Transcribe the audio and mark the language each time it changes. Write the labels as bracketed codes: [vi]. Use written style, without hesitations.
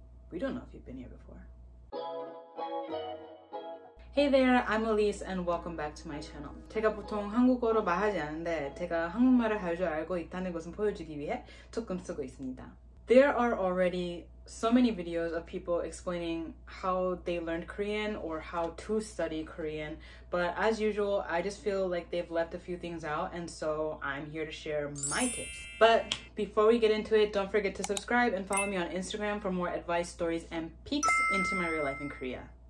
[en] We don't know if you've been here before. Hey there, I'm Elise and welcome back to my channel. [ko] 제가 보통 한국어로 말하지 않는데 제가 한국말을 할 줄 알고 있다는 것을 보여주기 위해 조금 쓰고 있습니다. [en] There are already so many videos of people explaining how they learned Korean or how to study Korean, but as usual, I just feel like they've left a few things out, and so I'm here to share my tips. But before we get into it, don't forget to subscribe and follow me on Instagram for more advice, stories, and peeks into my real life in Korea.